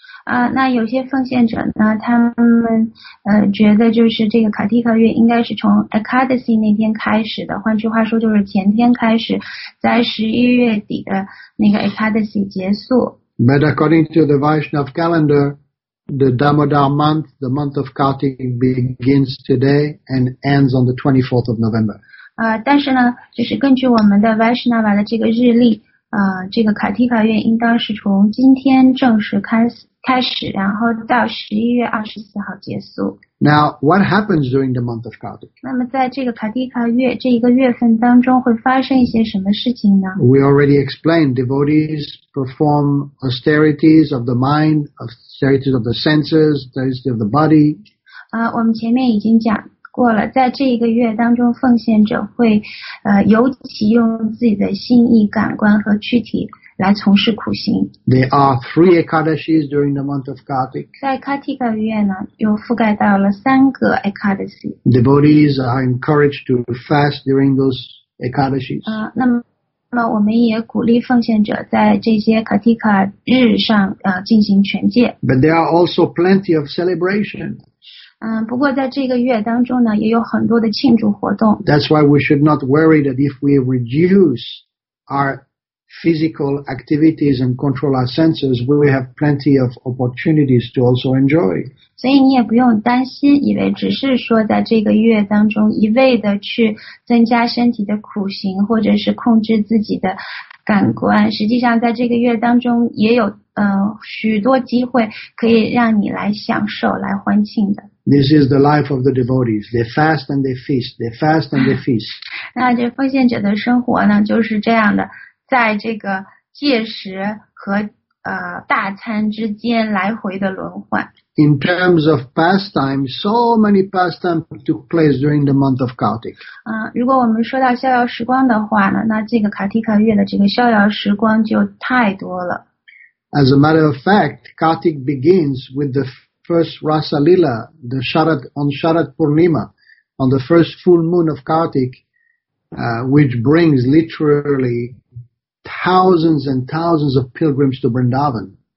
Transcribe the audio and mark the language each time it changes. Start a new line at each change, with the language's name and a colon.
Chinese: 那有些奉献者呢，他们觉得就是这个卡蒂卡月应该是从 Ekadasi 那天开始的，换句话说就是前天开始，在11月底的那个 Ekadasi 结束。
English: But according to the Vaishnava calendar, the Damodar month, the month of Kartik, begins today and ends on the 24th of November.
Chinese: 但是呢，就是根据我们的 Vaishnava 的这个日历，这个卡提法院应当是从今天正式开始，然后到11月24号结束。
English: Now, what happens during the month of Kartik?
Chinese: 那么在这个卡提法月这一个月份当中会发生一些什么事情呢？
English: We already explained, devotees perform austerities of the mind, austerities of the senses, austerities of the body.
Chinese: 我们前面已经讲过了，在这一个月当中奉献者会尤其用自己的心意、感官和躯体来从事苦行。
English: There are three Ekadashis during the month of Kartik.
Chinese: 在 Kartika 月呢，又覆盖到了三个 Ekadashi.
English: Devotees are encouraged to fast during those Ekadashis.
Chinese: 那么我们也鼓励奉献者在这些 Kartika 日上进行全戒。
English: But there are also plenty of celebration.
Chinese: 不过在这个月当中呢，也有很多的庆祝活动。
English: That's why we should not worry that if we reduce our physical activities and control our senses, we will have plenty of opportunities to also enjoy.
Chinese: 所以你也不用担心，以为只是说在这个月当中一味的去增加身体的苦行，或者是控制自己的感官。实际上，在这个月当中也有许多机会可以让你来享受、来欢庆的。
English: This is the life of the devotees. They fast and they feast. They fast and they feast.
Chinese: 那这奉献者的生活呢，就是这样的。在这个戒食和大餐之间来回的轮换。
English: In terms of pastime, so many pastimes took place during the month of Kartik.
Chinese: 如果我们说到逍遥时光的话呢，那这个卡提卡月的这个逍遥时光就太多了。
English: As a matter of fact, Kartik begins with the first Rasa Lila, the Sharad on Sharad Purnima, on the first full moon of Kartik, which brings literally thousands and thousands of pilgrims to Vrindavan.